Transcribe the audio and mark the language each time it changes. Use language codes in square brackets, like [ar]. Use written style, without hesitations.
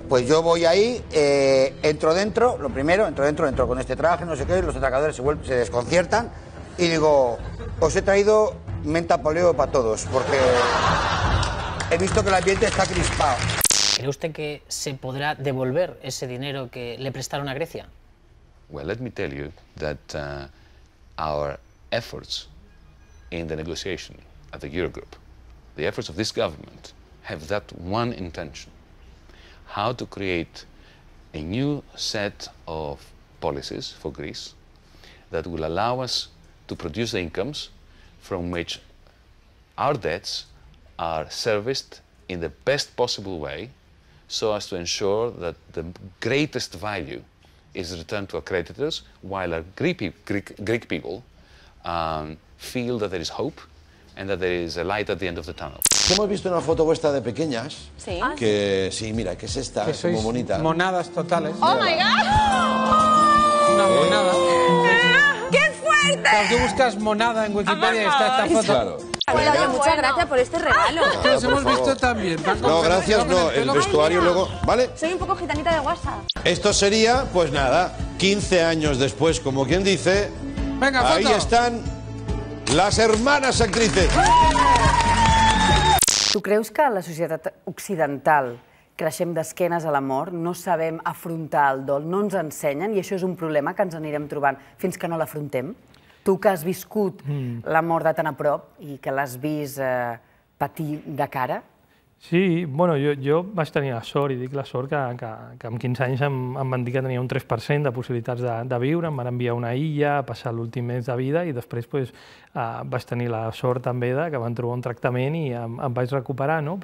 [es] Pues yo voy ahí, entro dentro, lo primero, entro con este traje, no sé qué, los atracadores se desconciertan y digo, os he traído menta poleo para todos, porque he visto que el ambiente está crispado. ¿Cree usted que se podrá devolver ese dinero que le prestaron a Grecia? [en] Well, let me tell you that our efforts in the negotiation at the Eurogroup, the efforts of this government, have that one intention: how to create a new set of policies for Greece that will allow us to produce the incomes from which our debts are serviced in the best possible way, so as to ensure that the greatest value is returned to our creditors, while our Greek people feel that there is hope and that there is a light at the end of the tunnel. [es] Hemos visto una foto vuestra de pequeñas. Sí. Que sí, mira, que es esta, que sois muy bonita. Monadas totales. [en] Oh my God. [es] Una monada. ¡Qué fuerte! Cuando buscas monada en Wikipedia está esta foto. Claro. Bueno, oye, muchas gracias por este regalo. Ah, nos hemos visto también. No, gracias, no. El vestuario luego... ¿Vale? Soy un poco gitanita de WhatsApp. Esto sería, pues nada, 15 años después, como quien dice. Venga, ahí foto. Están las hermanas actrices. ¿Tú crees que la sociedad occidental... [ca] creixem d'esquenes a l'amor, no sabem afrontar el dol, no ens ensenyen, i això és un problema que ens anirem trobant fins que no l'afrontem. Tu, que has viscut l'amor de tan a prop i que l'has vist patir de cara... Sí, bueno, jo vaig tenir la sort, i dic la sort, que amb 15 anys em van dir que tenia un 3% de possibilitats de viure, em van enviar a una illa, a passar l'últim mes de vida, i després vaig tenir la sort també que van trobar un tractament i em vaig recuperar, no?